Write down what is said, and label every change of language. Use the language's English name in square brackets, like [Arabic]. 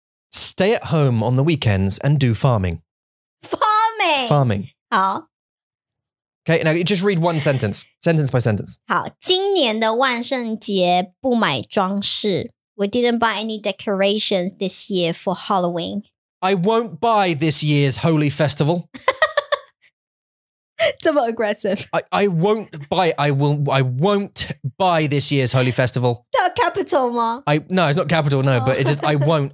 [English] Stay at home on the weekends and do farming. Farming. 好. Okay, now you just read one sentence, sentence by sentence. [Chinese] 好，今年的万圣节不买装饰. [English] We didn't buy any decorations this year for Halloween. I won't buy this year's holy festival. [Chinese] 这么 aggressive. [English] I won't buy this year's holy festival. [Chinese] 到capital吗? [English] No, it's not capital, but it's just I won't.